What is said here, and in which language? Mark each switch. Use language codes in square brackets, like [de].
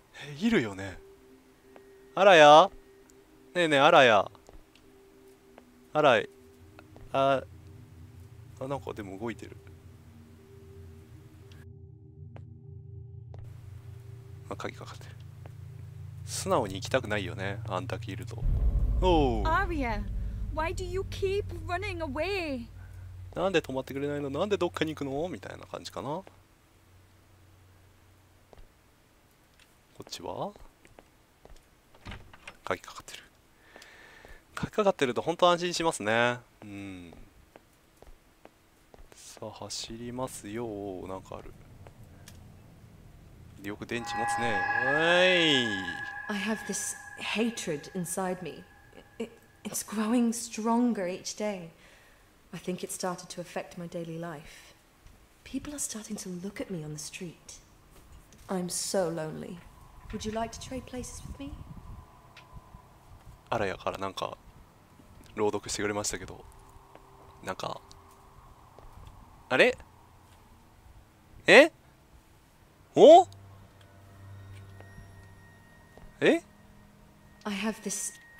[ja] え、いるよね。あらや、ねえねえ、あらや、あらい、あ、あ、なんかでも動いてる。あ、鍵かかってる。素直に行きたくないよね、あんだけいると。おお。 [en] アリア、why do you keep running away？ [ja] なんで止まってくれないの？なんでどっかに行くの？みたいな感じかな。こっちは？鍵かかってる。鍵かかってると本当安心しますね。さあ走りますよ。なんかある。よく電池持つね。はい。 [en] I have this hatred inside me. It's growing stronger each day. I think it started to affect my daily life. People are starting to look at me on the street. I'm so lonely. Would you like to trade places with me? [ja] アラヤからなんか朗読してくれましたけど、なんかあれ？え？お？え？ [en] I have this。